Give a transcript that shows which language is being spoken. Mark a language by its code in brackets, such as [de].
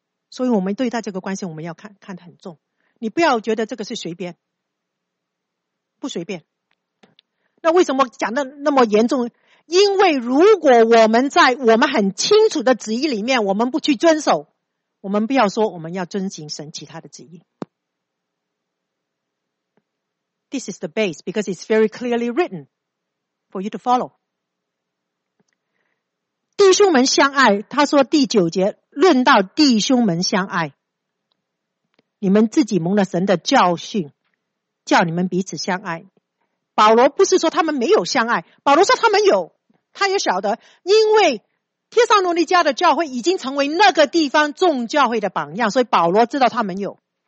[zh] 所以我们对待这个关系我们要看得很重。你不要觉得这个是随便，不随便。那为什么讲的那么严重？因为如果我们在我们很清楚的旨意里面我们不去遵守，我们不要说我们要遵行神其他的旨意。 [en] This is the base because it's very clearly written for you to follow. [zh] 弟兄们相爱，他说第九节，论到弟兄们相爱，你们自己蒙了神的教训，叫你们彼此相爱。保罗不是说他们没有相爱，保罗说他们有，他也晓得，因为帖撒罗尼迦的教会已经成为那个地方众教会的榜样，所以保罗知道他们有。